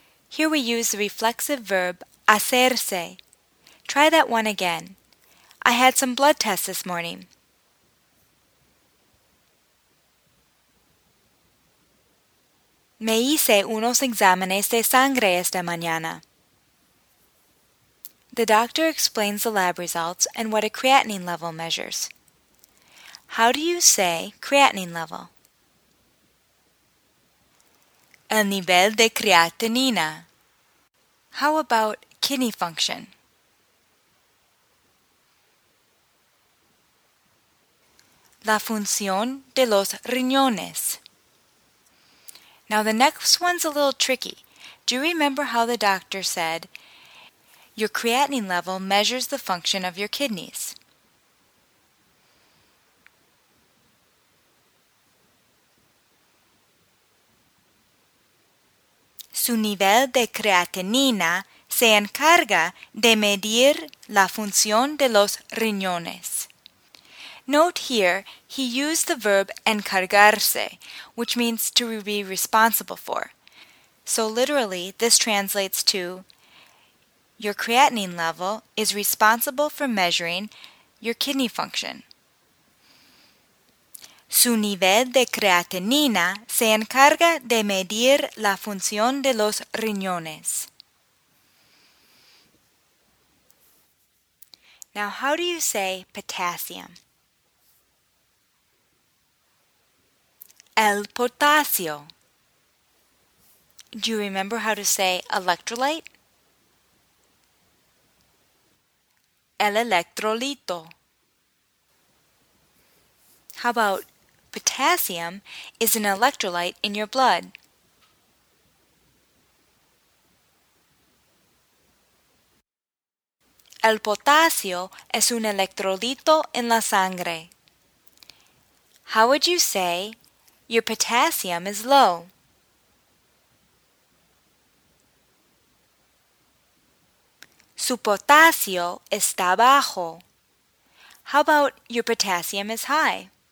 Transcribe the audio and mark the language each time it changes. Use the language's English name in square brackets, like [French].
[English] Here we use the reflexive verb hacerse. Try that one again. I had some blood tests this morning. [Spanish] Me hice unos exámenes de sangre esta mañana. [English] The doctor explains the lab results and what a creatinine level measures. How do you say creatinine level? [Spanish] El nivel de creatinina. [English] How about kidney function? [Spanish] La función de los riñones. [English] Now the next one's a little tricky. Do you remember how the doctor said, "Your creatinine level measures the function of your kidneys"? [Spanish] Su nivel de creatinina se encarga de medir la función de los riñones. [English] Note here, he used the verb encargarse, which means to be responsible for. So literally, this translates to, "Your creatinine level is responsible for measuring your kidney function." [Spanish] Su nivel de creatinina se encarga de medir la función de los riñones. [English] Now, how do you say potassium? [Spanish] El potasio. [English] Do you remember how to say electrolyte? [Spanish] El electrolito. [English] How about potassium is an electrolyte in your blood? [Spanish] El potasio es un electrolito en la sangre. [English] How would you say your potassium is low? [Spanish] Su potasio está bajo. [English] How about your potassium is high?